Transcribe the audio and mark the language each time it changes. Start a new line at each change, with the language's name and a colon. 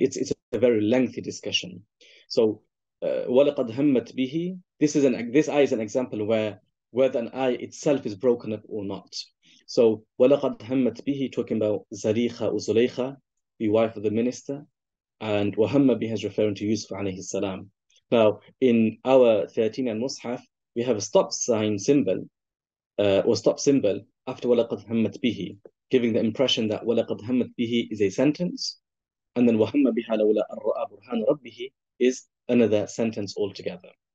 English: It's a very lengthy discussion. So,
Arabic: وَلَقَدْ هَمَّتْ بِهِ.
English: This ayah is an example where whether an ayah itself is broken up or not. So,
Arabic: وَلَقَدْ هَمَّتْ بِهِ,
English: talking about Zariqa or Zuleika, the wife of the minister, and
Arabic: وَهَمَّ بِهِ
English: is referring to Yusuf alayhi salam. Now, in our 13 and Mus'haf, we have a stop sign symbol, or stop symbol after
Arabic: وَلَقَدْ هَمَّتْ بِهِ,
English: giving the impression that وَلَقَدْ هَمَّتْ بِهِ is a sentence, and then
Arabic: وَهَمَّ بِهَا لَوْلَا أَنْ رَأَى بُرْهَانَ رَبِّهِ
English: is another sentence altogether.